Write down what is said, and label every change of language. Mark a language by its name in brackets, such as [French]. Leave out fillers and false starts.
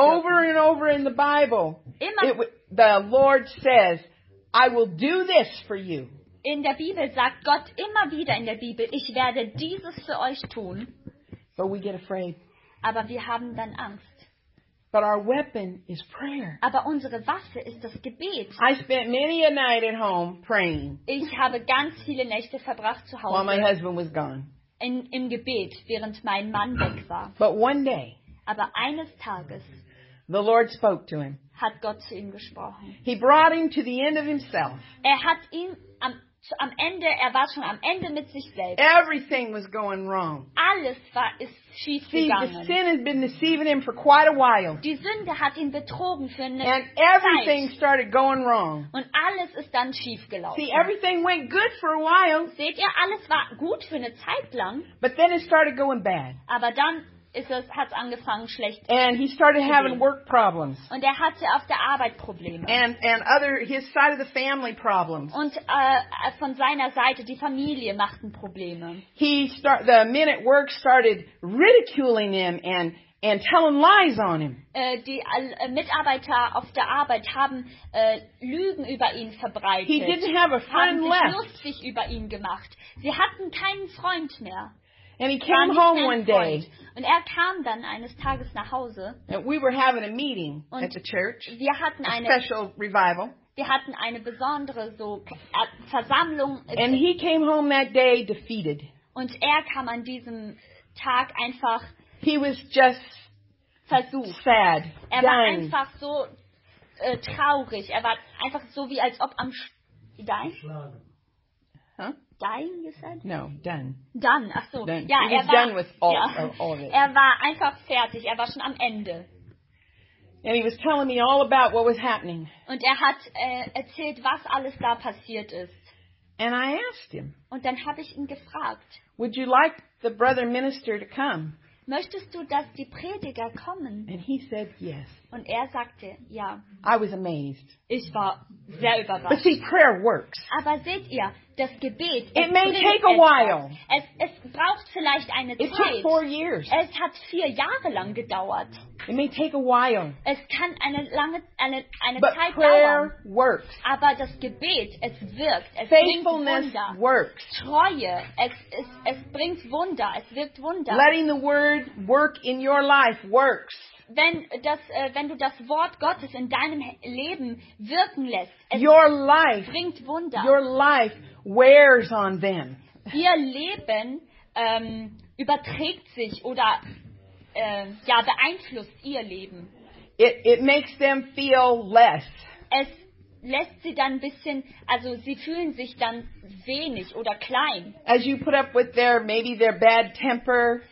[English] Over and over in the Bible, the Lord says, I will do this for you. [German] In der Bibel sagt Gott immer wieder in der Bibel, ich werde dieses für euch tun. [English] But we get afraid. [German] Aber wir haben dann Angst. [English] But our weapon is prayer. [German] Aber unsere Waffe ist das Gebet. [English] I spent many a night at home praying. [German] Ich habe ganz viele Nächte verbracht zu Hause. [English] While my husband was gone. [German] Im Gebet, während mein Mann weg war. [English] But one day, [German] aber eines Tages, [English] the Lord spoke to him. [German] Hat Gott zu ihm gesprochen. [English] He brought him to the end of himself. [German] Er hat ihn am Ende, er war schon am Ende mit sich selbst. [English] Everything was going wrong. [German] Alles war schief gegangen. [English] See, the sin has been deceiving him for quite a while. [German] Die Sünde hat ihn betrogen für eine [English] and everything [German] Zeit. [English] Started going wrong. [German] Und alles ist dann schief gelaufen. [English] See, everything went good for a while. [German] Seht ihr, alles war gut für eine Zeit lang. [English] But then it started going bad. [German] Aber dann hat angefangen schlecht. [English] And he started having work problems. [German] Und hatte auf der Arbeit Probleme. [English] And other his side of the family problems. [German] Und von seiner Seite die Familie machten Probleme. [English] The men at work started ridiculing him and telling lies on him. [German] Mitarbeiter auf der Arbeit haben Lügen über ihn verbreitet. [English] He didn't have a friend left. [German] Haben sich lustig über ihn gemacht. Sie hatten keinen Freund mehr. [English] And he came home one day. [German] Und kam dann eines Tages nach Hause. [English] And we were having a meeting at the church. [German] Wir hatten [English] a [German] eine [English] special revival. [German] Wir hatten eine besondere so Versammlung. [English] And he came home that day defeated. [German] Und kam an diesem Tag einfach. [English] He was just [German] versucht. [English] Sad. [German] War einfach so traurig. War einfach so wie als ob am dying. [English] Dying, you said? No, done. [German] Done, ach so. [English] Done. [German] Ja, [English] he was done with all of it. [German] War einfach fertig, war schon am Ende. [English] And he was telling me all about what was happening. [German] Und hat erzählt, was alles da passiert ist. [English] And I asked him. [German] Und dann habe ich ihn gefragt. [English] Would you like the brother minister to come? [German] Möchtest du, dass die Prediger kommen? [English] And he said yes. [German] Und sagte, ja. [English] I was amazed. [German] Ich war sehr überrascht. [English] But see, prayer works. [German] Aber seht ihr, das Gebet, [English] it may take a while. [German] Es braucht vielleicht eine [English] Zeit. It took 4 years. [German] Es hat 4 Jahre lang gedauert. [English] It may take a while. [German] Es kann eine lange eine [English] But [German] Zeit [English] prayer [German] dauern. [English] Works. [German] Aber das Gebet, es wirkt. Es [English] Faithfulness [German] bringt Wunder. [English] Works. [German] Treue, es bringt Wunder. Es wirkt Wunder. [English] Letting the word work in your life works. [German] Wenn du das Wort Gottes in deinem Leben wirken lässt, es [English] your life, [German] bringt Wunder. [English] Your life wears on them. [German] Ihr Leben überträgt sich oder beeinflusst ihr Leben. [English] It makes them feel less. [German] Es lässt sie dann ein bisschen, also sie fühlen sich dann wenig oder klein. [English] As you put up with their, maybe their bad temper.